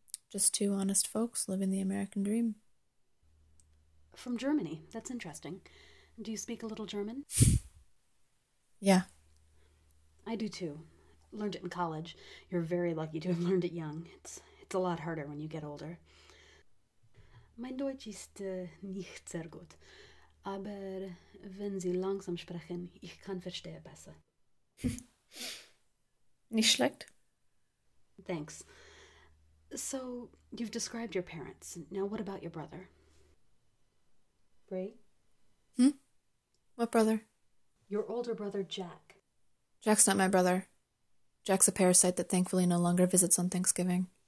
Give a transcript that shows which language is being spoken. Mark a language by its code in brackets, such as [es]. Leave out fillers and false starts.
[en] Just two honest folks living the American dream. From Germany. That's interesting. Do you speak a little German? Yeah. I do too. Learned it in college. You're very lucky to have learned it young. It's a lot harder when you get older. [de] Mein Deutsch ist nicht sehr gut. Aber wenn Sie langsam sprechen, ich kann verstehe besser. Nicht schlecht. [en] Thanks. So, you've described your parents. Now what about your brother? Bray? What brother? Your older brother, Jack. Jack's not my brother. Jack's a parasite that thankfully no longer visits on Thanksgiving.